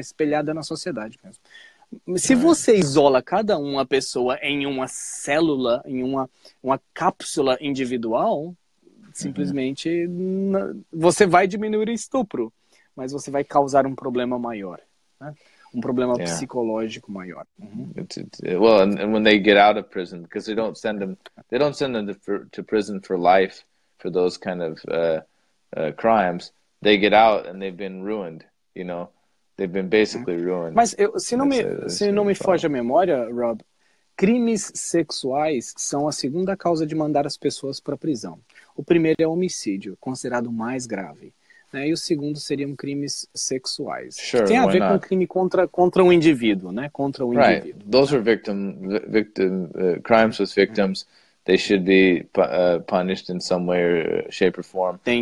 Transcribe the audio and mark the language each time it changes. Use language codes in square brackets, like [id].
[pt] Espelhada na sociedade mesmo. Se você isola cada uma pessoa em uma célula, em uma cápsula individual, simplesmente você vai diminuir o estupro, mas você vai causar um problema maior, né? Um problema psicológico maior. [en] And when they get out of prison, because they don't send them to prison for life for those kind of crimes, they get out and they've been ruined, you know. They've been basically ruined. [pt] Mas se não me foge a memória, Rob, crimes sexuais são a segunda causa de mandar as pessoas para prisão. O primeiro é homicídio, considerado mais grave, né? E o segundo seriam crimes sexuais. [en] Sure, [pt] tem a ver [en] not? [pt] Com crime contra um indivíduo, né? Contra um [en] right. [pt] indivíduo. [en] Those are victim crimes with victims. They should be punished in some way, or shape, or form.